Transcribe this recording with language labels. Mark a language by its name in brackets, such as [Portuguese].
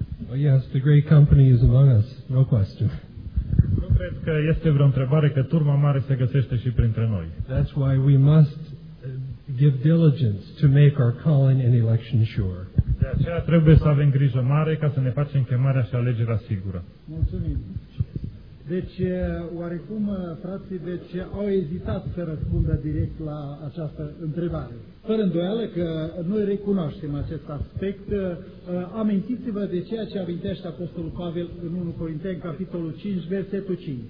[English] Well, yes, the great company is among us, no question. [Romanian] Nu cred că este vreo întrebare că turma mare se găsește și printre noi. [English] That's why we must give diligence to make our calling and election sure. [Romanian] De aceea trebuie să avem grijă mare ca să ne facem chemarea și alegerea sigură. Mulțumim. Deci, oarecum, frații, deci au ezitat să răspundă direct la această întrebare. Fără îndoială că noi recunoaștem acest aspect, amintiți-vă de ceea ce amintește Apostolul Pavel în 1 Corinteni, capitolul 5, versetul 5.